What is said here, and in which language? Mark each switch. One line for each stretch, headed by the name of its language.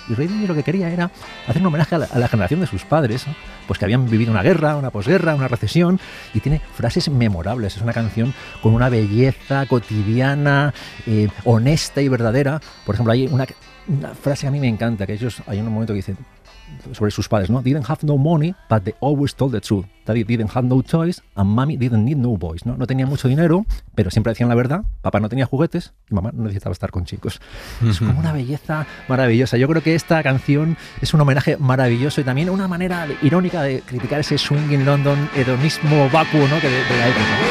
Spanish: Y Ray Davies lo que quería era hacer un homenaje a la generación de sus padres, ¿no?, pues que habían vivido una guerra, una posguerra, una recesión, y tiene frases memorables. Es una canción con una belleza cotidiana, honesta y verdadera. Por ejemplo, hay una frase que a mí me encanta, que ellos hay un momento que dicen sobre sus padres, ¿no?
English: Didn't have no money, but they always told the truth. Daddy didn't have no toys, and mommy didn't need no boys, ¿no?
Spanish: No tenía mucho dinero, pero siempre decían la verdad. Papá no tenía juguetes y mamá no necesitaba estar con chicos. Es como una belleza maravillosa. Yo creo que esta canción es un homenaje maravilloso y también una manera irónica de criticar ese
English: swing in London,
Spanish: hedonismo vacuo, ¿no?, que de la época.